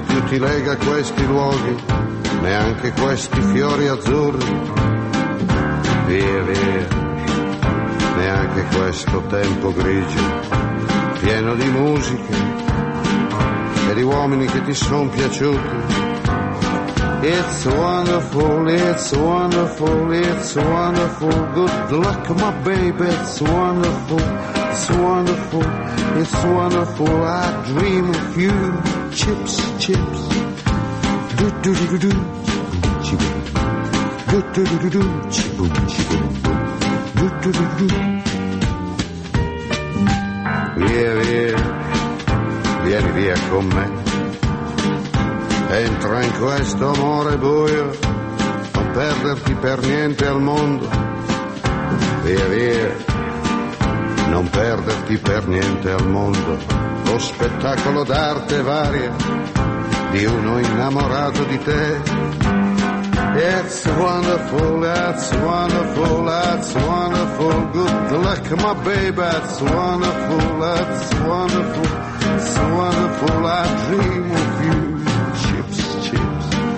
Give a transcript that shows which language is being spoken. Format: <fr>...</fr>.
<it>Ti lega questi luoghi, neanche questi fiori azzurri, via via, neanche questo tempo grigio, pieno di musiche e di uomini che ti sono piaciuti.</it> <en>It's wonderful, it's wonderful, it's wonderful, good luck my baby, it's wonderful, it's wonderful, it's wonderful, I dream of you, chips, chips. Do do do do do do do do do do do do do do do do do.</en> <it>Via via, vieni via con me. Entra in questo amore buio, non perderti per niente al mondo. Via via, non perderti per niente al mondo. Lo spettacolo d'arte varia di uno innamorato di te.</it> <en>It's wonderful, that's wonderful, that's wonderful, good luck my baby, it's wonderful, that's wonderful, it's wonderful, I dream of you, chips, chips,</en>